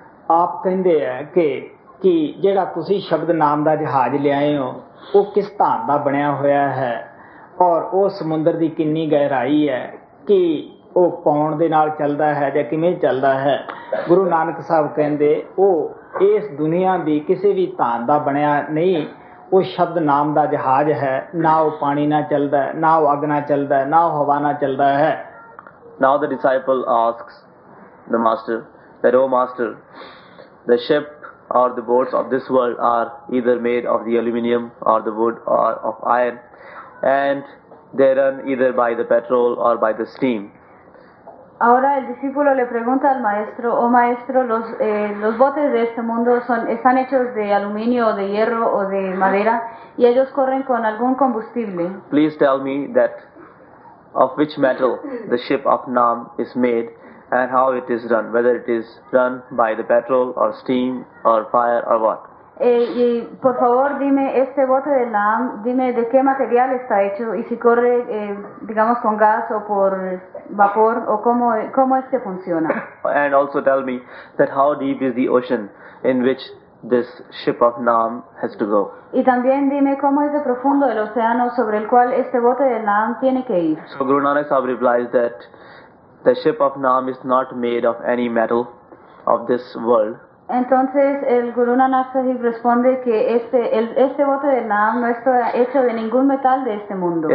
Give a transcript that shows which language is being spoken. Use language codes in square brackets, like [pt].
[pa] ਆਪ ਕਹਿੰਦੇ ਹੈ ਕਿ ਜਿਹੜਾ ਤੁਸੀਂ ਸ਼ਬਦ ਨਾਮ ਦਾ ਜਹਾਜ਼ ਲਿਆਏ ਹੋ ਉਹ ਕਿਸ ਧਾਂਤ ਦਾ ਬਣਿਆ ਹੋਇਆ ਹੈ ਔਰ ਉਹ ਸਮੁੰਦਰ ਦੀ ਕਿੰਨੀ ਗਹਿਰਾਈ ਹੈ ਕਿ ਉਹ ਕੌਣ ਦੇ ਨਾਲ ਚੱਲਦਾ ਹੈ ਜਾਂ ਕਿਵੇਂ ਚੱਲਦਾ ਹੈ। ਗੁਰੂ ਨਾਨਕ ਸਾਹਿਬ ਕਹਿੰਦੇ ਉਹ ਇਸ ਦੁਨੀਆਂ ਦੀ ਕਿਸੇ ਵੀ ਧਾਂਤ ਦਾ ਬਣਿਆ ਨਹੀਂ, ਉਹ ਸ਼ਬਦ ਨਾਮ ਦਾ ਜਹਾਜ਼ ਹੈ, ਨਾ ਉਹ ਪਾਣੀ ਨਾਲ ਚੱਲਦਾ, ਨਾ ਉਹ ਅੱਗ ਨਾਲ ਚੱਲਦਾ, ਨਾ ਉਹ ਹਵਾ ਨਾਲ ਚੱਲਦਾ ਹੈ। [en] Now the disciple asks the master that, oh master, the ship or the boats of this world are either made of the aluminium or the wood or of iron, and they run either by the petrol or by the steam. [es] Ahora el discípulo le pregunta al maestro, oh maestro, los botes de este mundo están hechos de aluminio, de hierro o de madera, y ellos corren con algún combustible. [en] Please tell me that of which metal the ship of Nam is made and how it is run, whether it is run by the petrol or steam or fire or what. [es] Y por favor dime este bote de Nam, dime de qué material está hecho y si corre, digamos, con gas o por vapor o cómo este funciona. [en] And also tell me that how deep is the ocean in which this ship of Nam has to go. [es] Y también dime cómo es de profundo el océano sobre el cual este bote de Nam tiene que ir. [en] So Guru Nanak Sahib replies that the ship of Nam is not made of any metal of this world. [es] Entonces el Guru Nanak Sahib responde que este bote de Nam no está hecho de ningún metal de este mundo.